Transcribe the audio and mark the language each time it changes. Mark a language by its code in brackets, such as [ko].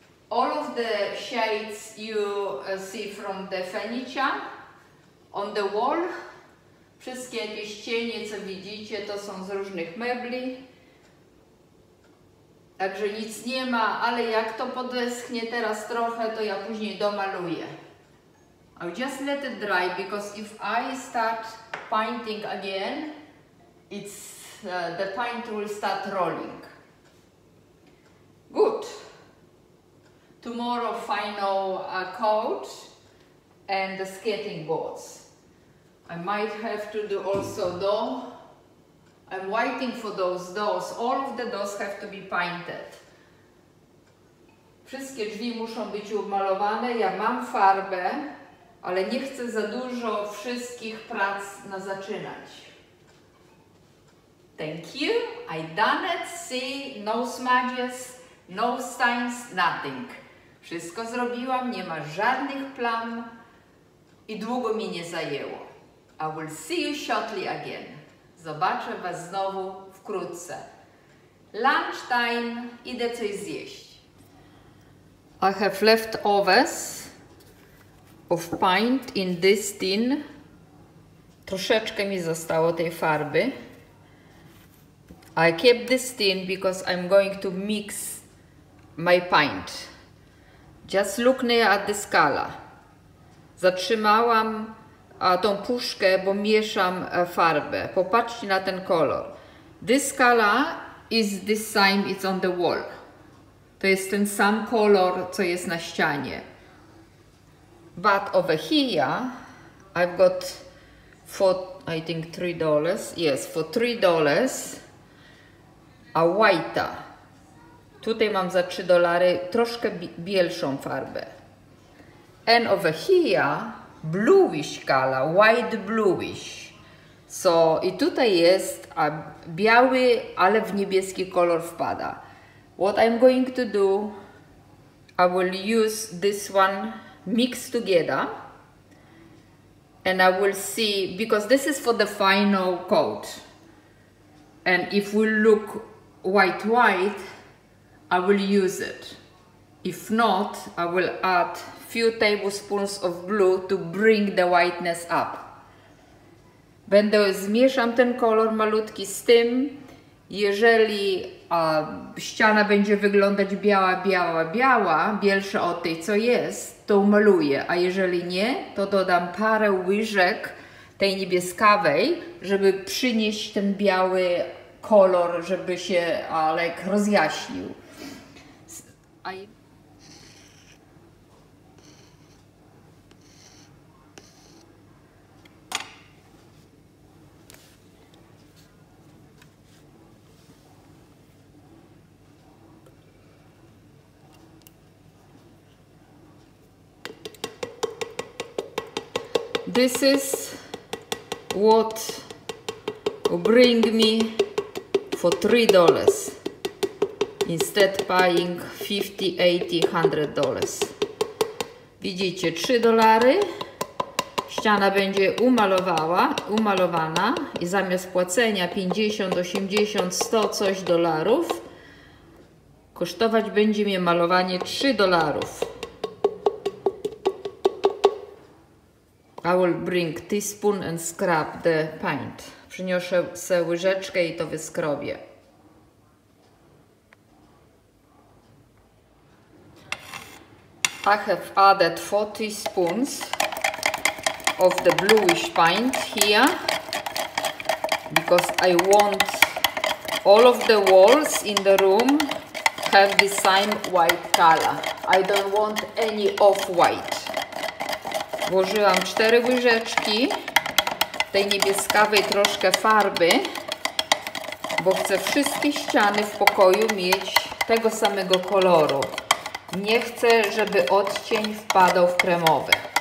[en] All of the shades you see from the furniture on the wall, [pl] wszystkie jakieś cienie, co widzicie, to są z różnych mebli. Także nic nie ma, ale jak to podeschnie teraz trochę, to ja później domaluję. [en] I'll just let it dry, because if I start painting again, it's the paint will start rolling. Good. Tomorrow final coat and the skating boards. I might have to do also door. I'm waiting for those doors. All of the doors have to be painted. [pl] Wszystkie drzwi muszą być umalowane. Ja mam farbę, ale nie chcę za dużo wszystkich prac na zaczynać. [en] Thank you. I done it. See, no smudges, no stains, nothing. [pl] Wszystko zrobiłam, nie ma żadnych plam i długo mi nie zajęło. [en] I will see you shortly again. [pl] Zobaczę Was znowu wkrótce. Lunch time, idę coś zjeść. [en] I have leftovers of paint in this tin. [pl] Troszeczkę mi zostało tej farby. [en] I kept this tin because I'm going to mix my paint. Just look near at the color. [pl] Zatrzymałam tą puszkę, bo mieszam farbę. Popatrzcie na ten kolor. [en] This color is the same, it's on the wall. [pl] To jest ten sam kolor, co jest na ścianie. [en] But over here, I've got for, I think, $3. Yes, for $3, a white. [pl] Tutaj mam za $3 troszkę bielszą farbę. [en] And over here, bluish color, white bluish. [pl] So, i tutaj jest biały, ale w niebieski kolor wpada. [en] What I'm going to do, I will use this one, mix together. and I will see, because this is for the final coat. And if we look white, I will use it. If not, I will add few tablespoons of blue to bring the whiteness up. [pl] Będę zmieszam ten kolor malutki z tym. Jeżeli ściana będzie wyglądać biała, bielsza od tej, co jest, to umaluję. A jeżeli nie, to dodam parę łyżek tej niebieskawej, żeby przynieść ten biały kolor, żeby się lekko rozjaśnił. [en] This is what bring me for $3 instead buying $50, $80, $100. [pl] Widzicie, $3 ściana będzie umalowana i zamiast płacenia 50, 80, 100 coś dolarów, kosztować będzie mnie malowanie $3. [en] I will bring teaspoon and scrub the paint. [pl] Przyniosę sobie łyżeczkę i to wyskrobię. [en] I have added 4 teaspoons of the bluish paint here because I want all of the walls in the room have the same white color. I don't want any off-white. [pl] Włożyłam 4 łyżeczki tej niebieskawej troszkę farby, bo chcę wszystkie ściany w pokoju mieć tego samego koloru. Nie chcę, żeby odcień wpadał w kremowy.